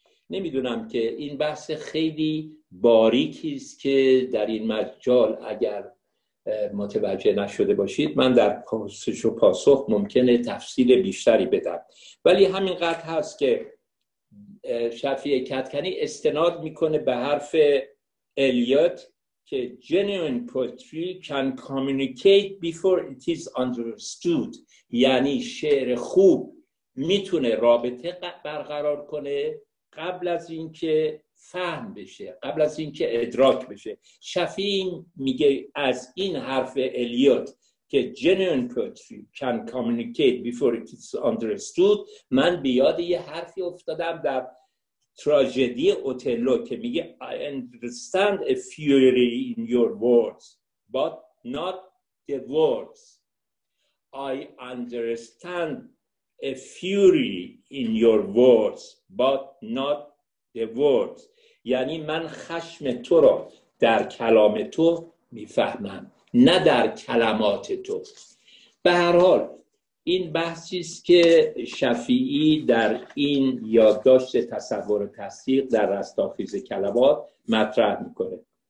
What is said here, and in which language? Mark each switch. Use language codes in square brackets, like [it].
[fa] نمیدونم که این بحث خیلی باریکی است که در این مجال اگر متوجه نشده باشید، من در پرسش و پاسخ ممکنه تفصیل بیشتری بدم، ولی همینقدر هست که شفیع کدکنی استناد میکنه به حرف الیوت که [en] genuine poetry can communicate before it is understood. [fa] یعنی شعر خوب میتونه رابطه برقرار کنه قبل از اینکه فهم بشه، قبل از اینکه ادراک بشه. شفیع میگه از این حرف الیوت که [en] genuine poetry can communicate before it is understood، [fa] من به یاد یه حرفی افتادم در تراژدی اوتلو که میگه [en] I understand a fury in your words but not the words. I understand a fury in your words but not the words. [fa] یعنی من خشم تو را در کلام تو میفهمم، نه در کلمات تو. به هر حال این بحثی است که شفیعی در این یادداشت تصور و تصدیق در رستاخیز کلمات مطرح میکنه.